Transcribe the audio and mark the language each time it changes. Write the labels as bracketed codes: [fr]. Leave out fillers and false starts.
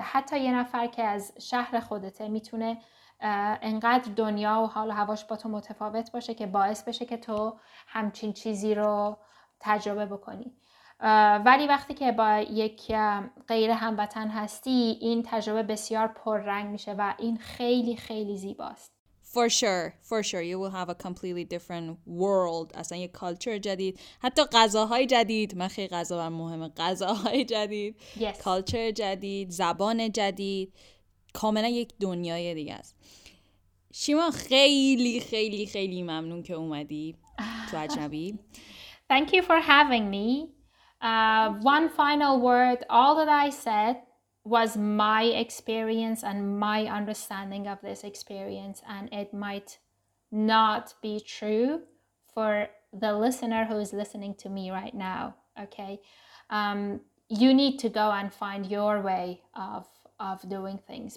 [fa] حتی یه نفر که از شهر خودته میتونه انقدر دنیا و حال و هواش با تو متفاوت باشه که باعث بشه که تو همچین چیزی رو تجربه بکنی. ولی وقتی که با یک غیر هموطن هستی این تجربه بسیار پررنگ میشه و این خیلی خیلی زیباست. [en] For sure. You will have a completely different world. [fa] اصلا یک کالچر جدید. حتی غذاهای جدید. من خیلی غذا برم مهمه. غذاهای جدید. [en] Yes. [fa] کالچر جدید. زبان جدید. کاملا یک دنیای دیگه است. شیما خیلی خیلی خیلی ممنون که اومدی تو اجنبی. [en] Thank you for having me. One final word. All that I said was my experience and my understanding of this experience, and it might not be true for the listener who is listening to me right now. Okay, you need to go and find your way of doing things.